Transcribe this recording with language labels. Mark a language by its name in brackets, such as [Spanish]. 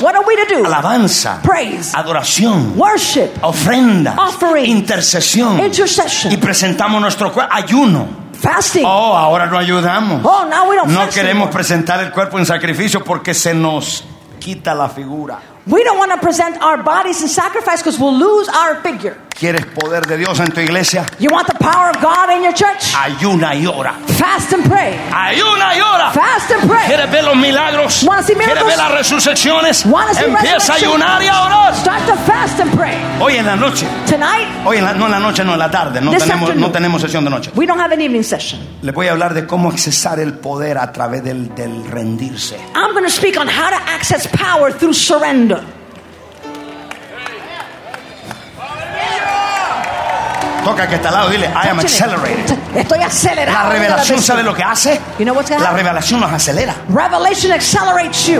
[English] What are we to do? [Spanish] Alabanza. [English] Praise. [Spanish] Adoración. [English] Worship. [Spanish] Ofrenda. [English] Offering. [Spanish] Intercesión. [English] Intercession. [Spanish] Y presentamos nuestro ayuno. [English] Fasting. [Spanish] Oh, ahora no ayudamos. [English] Oh, now we don't [Spanish] no queremos anymore. Presentar el cuerpo en sacrificio porque se nos quita la figura. [English] We don't want to present our bodies in sacrifice because we'll lose our figure. [Spanish] ¿Quieres poder de Dios en tu iglesia? [English] You want the power of God in your church? [Spanish] Ayuna y ora. [English] Fast and pray. [Spanish] Ayuna y ora. [English] Fast and pray. [Spanish] ¿Quieres ver los milagros? [English] Want to see miracles? [Spanish] ¿Quieres ver las resurrecciones? [English] Want to see [Spanish] empieza [English] resurrection? [Spanish] A ayunar y a orar. [English] Start to fast and pray. [Spanish] Hoy en la noche. [English] Tonight? [Spanish] Hoy en la, no en la noche, no en la tarde. [English] No, this [Spanish] tenemos, [English] afternoon. [Spanish] No tenemos sesión de noche. [English] We don't have an evening session. [Spanish] Le voy a hablar de cómo accesar el poder a través del rendirse. [English] I'm going to speak on how to access power through surrender. [Spanish] Toca que está al lado, dile, [English] I am accelerated. [Spanish] Estoy acelerado. La revelación sabe lo que hace. [English] You know what's going on? [Spanish] La revelación nos acelera. [English] Revelation accelerates you.